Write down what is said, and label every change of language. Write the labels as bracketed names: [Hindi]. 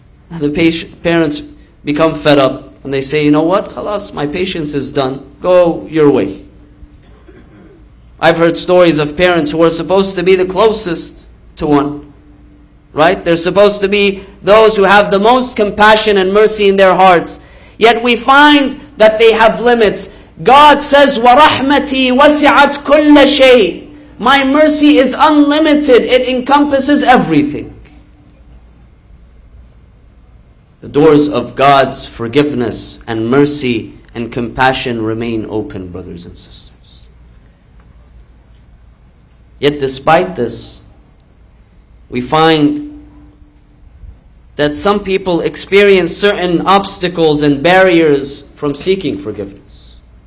[English] And the parents become fed up, and they say, you know what, khalas, my patience is done, go your way. I've heard stories of parents who are supposed to be the closest to one. Right? They're supposed to be those who have the most compassion and mercy in their hearts. Yet we find that they have limits. God says, [Arabic] وَرَحْمَتِي وَسِعَتْ كُلَّ شَيْءٍ. [English] My mercy is unlimited. It encompasses everything. The doors of God's forgiveness and mercy and compassion remain open, brothers and sisters. Yet despite this, we find that some people experience certain obstacles and barriers from seeking forgiveness.